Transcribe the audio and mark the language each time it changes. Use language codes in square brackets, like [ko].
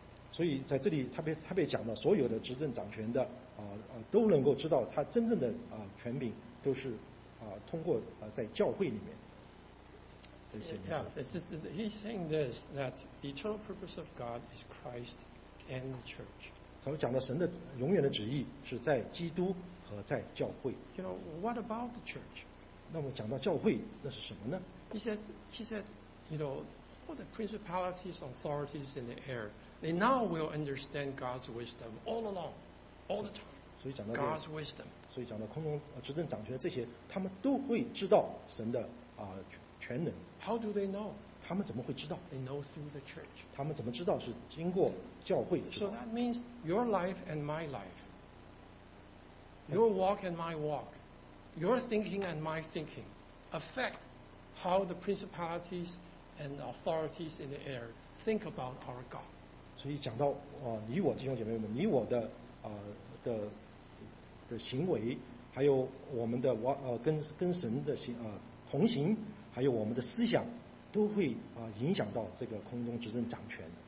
[zh] 所以在这里他被讲到所有的执政掌权的都能够知道他真正的权柄都是通过在教会里面的显明。 [en] Yeah, he's saying this, that the eternal purpose of God is Christ and the church. [zh] 所以讲到神的永远的旨意是在基督和在教会。 [en] You know, what about the church? [zh] 那么讲到教会那是什么呢？ [en] He said, you know, all the principalities, authorities in the air, they now will understand God's wisdom all along, all the time. [zh] 所以讲到 [en] God's wisdom. [zh] 所以讲到空中执政掌权这些，他们都会知道神的全能。 [en] How do they know? [zh] 他们怎么会知道？ [en] They know through the church. [zh] 他们怎么知道是经过教会？ [en] So that means your life and my life, your walk and my walk, your thinking and my thinking, affect how the principalities and authorities in the air think about our God. [zh] 所以讲到你我弟兄姐妹们，你我的的行为，还有我们的跟神的同行，还有我们的思想，都会影响到这个空中执政掌权。